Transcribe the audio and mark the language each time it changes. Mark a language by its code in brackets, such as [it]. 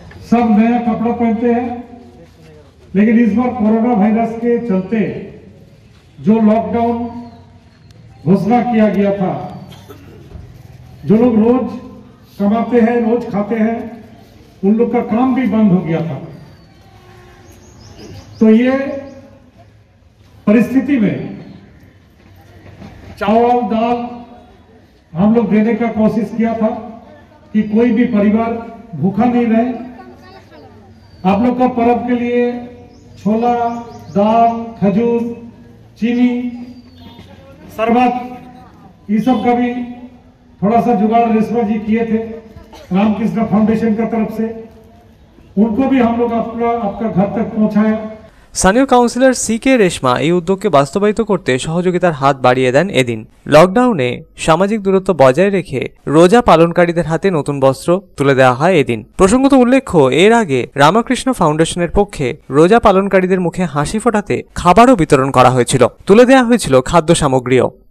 [hi] सब नया कपड़ा पहनते हैं लेकिन इस बार कोरोना वायरस के चलते जो लॉकडाउन घोषणा किया गया था जो लोग रोज कमाते हैं रोज खाते हैं उन लोग का काम भी बंद हो गया था तो ये परिस्थिति में चावल दाल हम लोग देने का कोशिश किया था कि कोई भी परिवार भूखा नहीं रहे। आप लोग का पर्व के लिए छोला दाल खजूर चीनी शरबत ये सब का भी थोड़ा सा जुगाड़ रेशमा जी किए थे रामकृष्ण फाउंडेशन की तरफ से, उनको भी हम लोग आपका घर तक पहुंचाया। [bn] স্থানীয় কাউন্সিলর সি কে রেশমা এই উদ্যোগকে বাস্তবায়িত করতে সহযোগিতার হাত বাড়িয়ে দেন। এদিন লকডাউনে সামাজিক দূরত্ব বজায় রেখে রোজা পালনকারীদের হাতে নতুন বস্ত্র তুলে দেওয়া হয় এদিন। প্রসঙ্গত উল্লেখ্য, এর আগে রামকৃষ্ণ ফাউন্ডেশনের পক্ষে রোজা পালনকারীদের মুখে হাসি ফোটাতে খাবারও বিতরণ করা হয়েছিল, তুলে দেওয়া হয়েছিল খাদ্য সামগ্রীও।